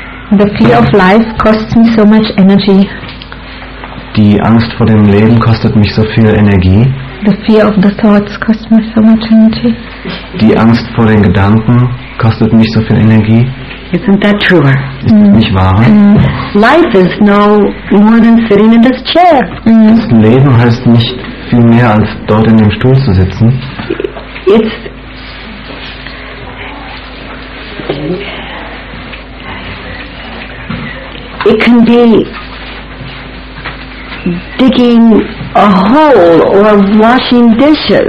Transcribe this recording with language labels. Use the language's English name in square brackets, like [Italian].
[English] The fear of life costs me so much energy. [German] Die Angst vor dem Leben kostet mich so viel Energie. [English] The fear of the thoughts costs me so much energy. [German] Die Angst vor den Gedanken kostet mich so viel Energie. [English] Isn't that truer? [German] Ist das nicht wahrer? Mm. [English] Life is no more than sitting in this chair. Mm. [German] Das Leben heißt nicht viel mehr als dort in dem Stuhl zu sitzen. [English] It can be digging a hole or washing dishes.